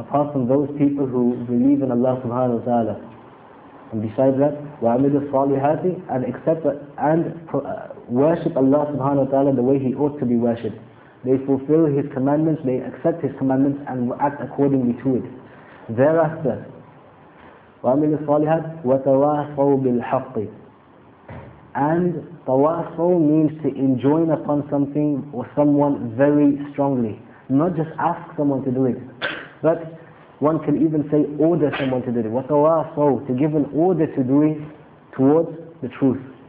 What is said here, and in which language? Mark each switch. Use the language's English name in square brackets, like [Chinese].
[English] Apart from those people who believe in Allah subhanahu wa ta'ala. And besides that, [Arabic] وَعَمِدُوا الصَّالِحَاتِ. [English] And accept and worship Allah subhanahu wa ta'ala the way he ought to be worshipped. They fulfill his commandments, they accept his commandments and act accordingly to it. Thereafter, [Arabic] وَعَمِلُوا الصَّالِحَاتِ وَتَوَاصَوْا بِالْحَقِّ. [English] And tawasaw means to enjoin upon something or someone very strongly. Not just ask someone to do it, but one can even say order someone to do it. وَتَوَاصَوْا, to give an order to do it towards the truth.